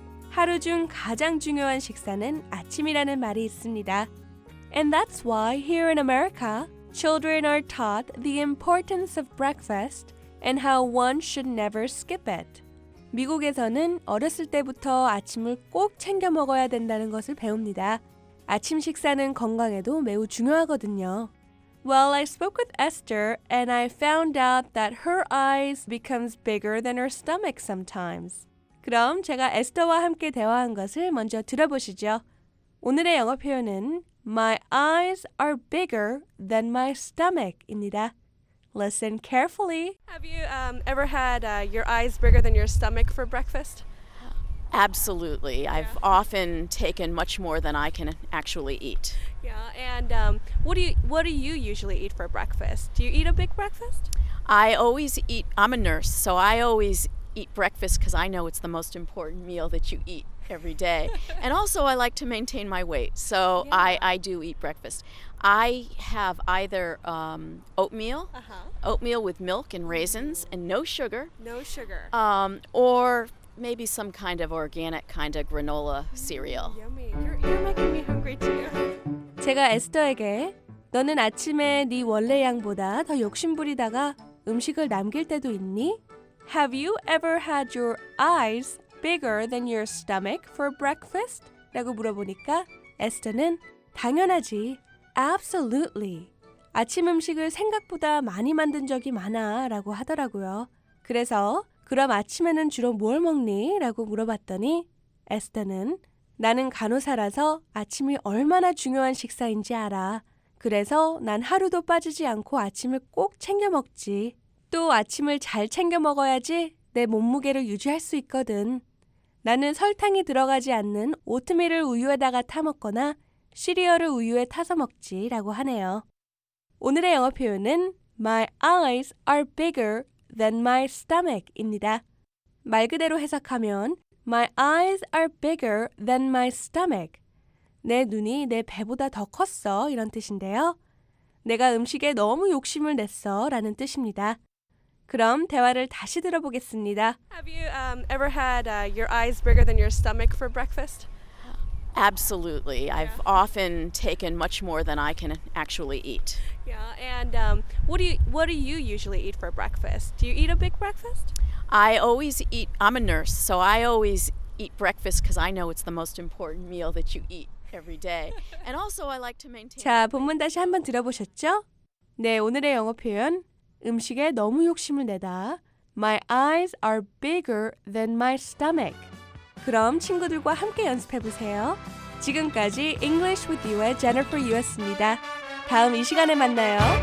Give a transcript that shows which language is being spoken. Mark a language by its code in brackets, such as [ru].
[ko] 하루 중 가장 중요한 식사는 아침이라는 말이 있습니다. [en] And that's why here in America, Children are taught the importance of breakfast and how one should never skip it. [ko] 미국에서는 어렸을 때부터 아침을 꼭 챙겨 먹어야 된다는 것을 배웁니다. 아침 식사는 건강에도 매우 중요하거든요. [en] Well, I spoke with Esther and I found out that her eyes becomes bigger than her stomach sometimes. [ko] 그럼 제가 에스터와 함께 대화한 것을 먼저 들어보시죠. 오늘의 영어 표현은 [en] My eyes are bigger than my stomach [ko] 입니다. [en] Listen carefully. Have you ever had your eyes bigger than your stomach for breakfast? Absolutely. Yeah. I've often taken much more than I can actually eat. Yeah, and what do you usually eat for breakfast? Do you eat a big breakfast? I always eat, I'm a nurse, so I always eat breakfast because I know it's the most important meal that you eat. Every day. And also I like to maintain my weight, so yeah. I do eat breakfast. I have either oatmeal, uh-huh. oatmeal with milk and raisins and no sugar. No sugar. Or maybe some kind of organic kind of granola cereal. Yummy. You're making me hungry too. [ko] 제가 에스터에게 너는 아침에 네 원래 양보다 더 욕심부리다가 음식을 남길 때도 있니? [en] Have you ever had your eyes bigger than your stomach for breakfast? [ko] 라고 물어보니까 에스터는 당연하지. [en] Absolutely. [ko] 아침 음식을 생각보다 많이 만든 적이 많아 라고 하더라고요. 그래서 그럼 아침에는 주로 뭘 먹니? 라고 물어봤더니 에스터는 나는 간호사라서 아침이 얼마나 중요한 식사인지 알아. 그래서 난 하루도 빠지지 않고 아침을 꼭 챙겨 먹지. 또 아침을 잘 챙겨 먹어야지 내 몸무게를 유지할 수 있거든. 나는 설탕이 들어가지 않는 오트밀을 우유에다가 타 먹거나 시리얼을 우유에 타서 먹지 라고 하네요. 오늘의 영어 표현은 [en] My eyes are bigger than my stomach [ko] 입니다. 말 그대로 해석하면 [en] My eyes are bigger than my stomach. [ko] 내 눈이 내 배보다 더 컸어 이런 뜻인데요. 내가 음식에 너무 욕심을 냈어 라는 뜻입니다. 그럼 대화를 다시 들어보겠습니다. [en] Have you ever had your eyes bigger than your stomach for breakfast? Absolutely. Yeah. I've often taken much more than I can actually eat. Yeah, and what do you usually eat for breakfast? Do you eat a big breakfast? I always eat, I'm a nurse, so I always eat breakfast because I know it's the most important meal that you eat every day. And also I like to maintain... [ko] 자, 본문 다시 한번 들어보셨죠? 네, 오늘의 영어 표현, 음식에 너무 욕심을 내다. [en] My eyes are bigger than my stomach. [ko] 그럼 친구들과 함께 연습해 보세요. 지금까지 English with You의 Jennifer Yu였습니다. 다음 이 시간에 만나요.